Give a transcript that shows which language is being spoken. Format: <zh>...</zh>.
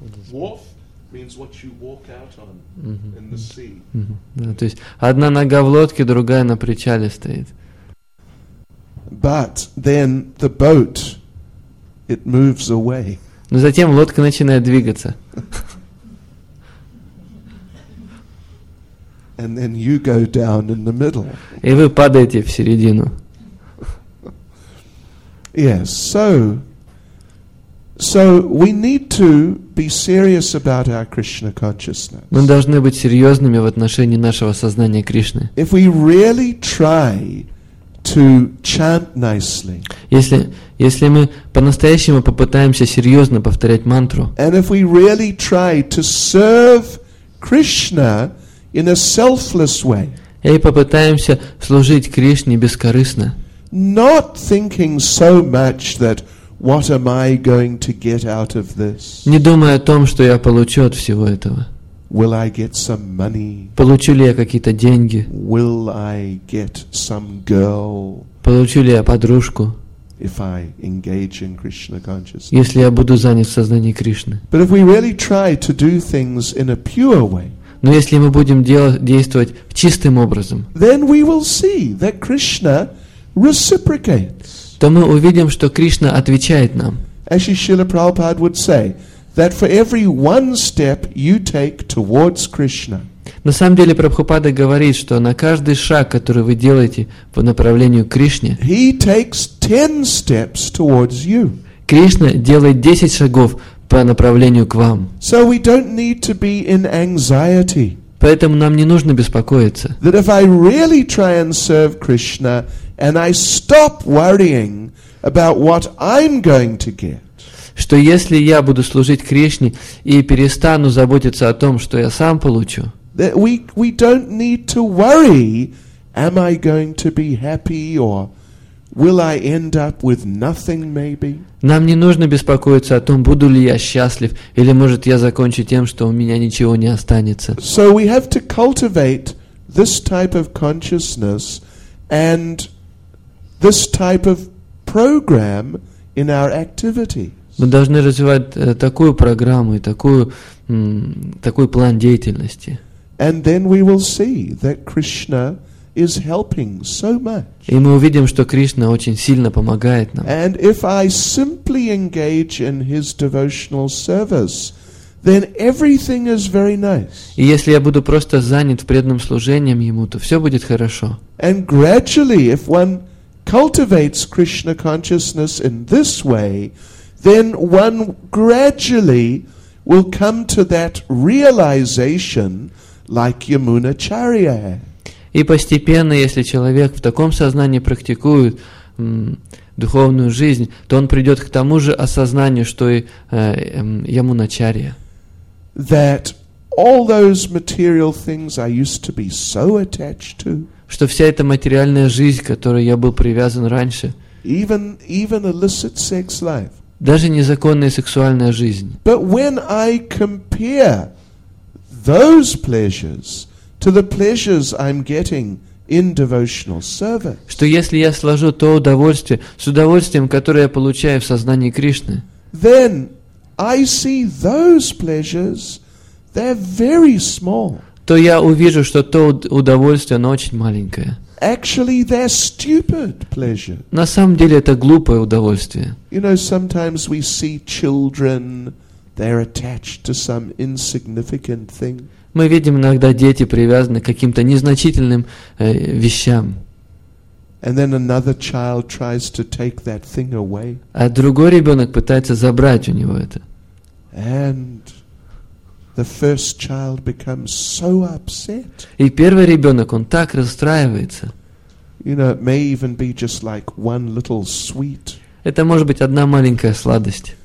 <en>Wharf means what you walk out on in the sea.</en> <ru>Да, то есть одна нога в лодке, другая на причале стоит.</ru> <en>But then the boat, it moves away.</en> <ru>Но затем лодка начинает двигаться.</ru> <en>And then you go down in the middle.</en> <ru>И вы падаете в середину.</ru> <en>Yes, so we need to be serious about our Krishna consciousness.</en> <ru>Мы должны быть серьезными в отношении нашего сознания Кришны.</ru> <en>If we really try to chant nicely.</en> <ru>Если мы по-настоящему попытаемся серьезно повторять мантру.</ru> <en>And if we really try to serve Krishna in a selfless way.</en> <ru>И попытаемся служить Кришне бескорыстно.</ru> <en>Not thinking so much that what am I going to get out of this?</en> <ru>Не думая о том, что я получу от всего этого.</ru> <en>Will I get some money?</en> <ru>Получу ли я какие-то деньги?</ru> <en>Will I get some girl?</en> <ru>Получу ли я подружку?</ru> <en>If I engage in Krishna consciousness.</en> <ru>Если я буду занят в сознании Кришны.</ru> <en>But if we really try to do things in a pure way.</en> <ru>Но если мы будем действовать чистым образом.</ru> <en>Then we will see that Krishna reciprocates.</en> <ru>То мы увидим, что Кришна отвечает нам.</ru> <en>As Srila Prabhupada would say, that for every one step you take towards Krishna.</en> <ru>На самом деле Прабхупада говорит, что на каждый шаг, который вы делаете по направлению к Кришне,</ru> <en>He takes 10 steps towards you.</en> <ru>Кришна делает 10 шагов по направлению к вам.</ru> <en>So we don't need to be in anxiety.</en> <ru>Поэтому нам не нужно беспокоиться.</ru> <en>That if I really try and serve Krishna, and I stop worrying about what I'm going to get.</en> <ru>Что если я буду служить Кришне и перестану заботиться о том, что я сам получу?</ru> <en>That we don't need to worry, am I going to be happy or will I end up with nothing maybe?</en> <ru>Нам не нужно беспокоиться о том, буду ли я счастлив или может я закончу тем, что у меня ничего не останется.</ru> <en>So we have to cultivate this type of consciousness and this type of program in our activities.</en> <ru>Мы должны развивать такую программу и такой план деятельности.</ru> <en>And then we will see that Krishna is helping so much.</en> <ru>И мы увидим, что Кришна очень сильно помогает нам.</ru> <en>And if I simply engage in his devotional service, then everything is very nice.</en> <ru>И если я буду просто занят в преданном служении ему, то все будет хорошо.</ru> <en>And gradually, if one cultivates Krishna consciousness in this way, then one gradually will come to that realization, like Yamunacharya.</en> <ru>И постепенно, если человек в таком сознании практикует духовную жизнь, то он придет к тому же осознанию, что и Ямуначарья.</ru> <en>That all those material things I used to be so attached to.</en> <ru>Что вся эта материальная жизнь, к которой я был привязан раньше.</ru> <en>Even illicit sex life.</en> <ru>Даже незаконная сексуальная жизнь.</ru> <en>But when I compare those pleasures to the pleasures I'm getting in devotional service.</en> <ru>Что если я сложу то удовольствие с удовольствием, которое я получаю в сознании Кришны?</ru> <en>Then I see those pleasures, they're very small.</en> <ru>То я увижу, что то удовольствие, оно очень маленькое.</ru> <en>Actually, they're stupid pleasure.</en> <ru>На самом деле это глупое удовольствие.</ru> <en>You know, sometimes we see children, they're attached to some insignificant thing.</en> <ru>Мы видим иногда дети привязаны к каким-то незначительным вещам.</ru> <en>And then another child tries to take that thing away.</en> <ru>А другой ребенок пытается забрать у него это.</ru> <en>And the first child becomes so upset.</en> <ru>И первый ребенок, он так расстраивается.</ru> <en>You know, it may even be just like one little sweet.</en> <ru>Это может быть одна маленькая сладость.</ru>